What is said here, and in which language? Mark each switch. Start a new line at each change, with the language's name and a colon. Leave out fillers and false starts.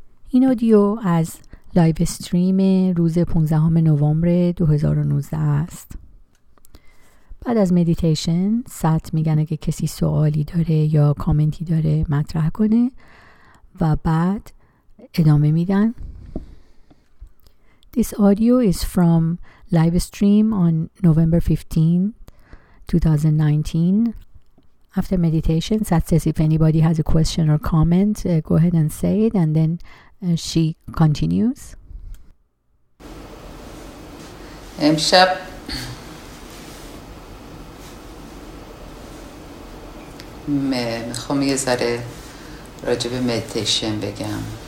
Persian: این اودیو از لایو استریم روز 15 نوامبر 2019 است. بعد از مدیتیشن ست میگن اگه کسی سوالی داره یا کامنتی داره مطرح کنه و بعد ادامه میدن.
English: This audio is from live stream on November 15, 2019. After meditation, Sat says if anybody has a question or comment, go ahead and say it, and then she continues.
Persian: امشب میخوام یه ذره راجع به meditation بگم.